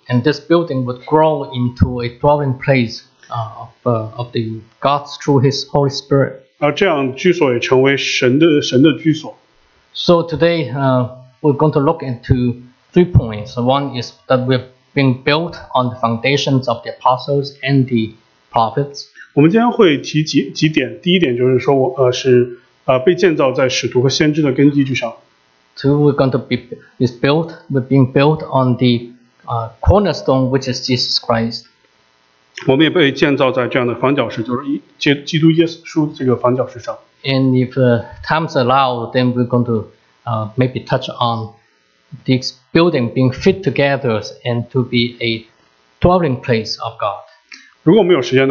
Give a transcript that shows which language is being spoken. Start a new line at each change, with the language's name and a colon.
English: And this building would grow into a dwelling place of the God through His Holy Spirit.
Chinese: 而这样居所也成为神的居所。
English: So today we're going to look into three points. One is that we've being built on the foundations of the apostles and the prophets.
Chinese: 我们今天会提几点，第一点就是说，被建造在使徒和先知的根基之上。
English: Two, we're being built on the cornerstone, which is Jesus Christ.
Chinese: 我们也被建造在这样的房角石，就是基督耶稣这个房角石上。
English: And if times allow, then we're going to maybe touch on this building being fit together and to be a dwelling place of God.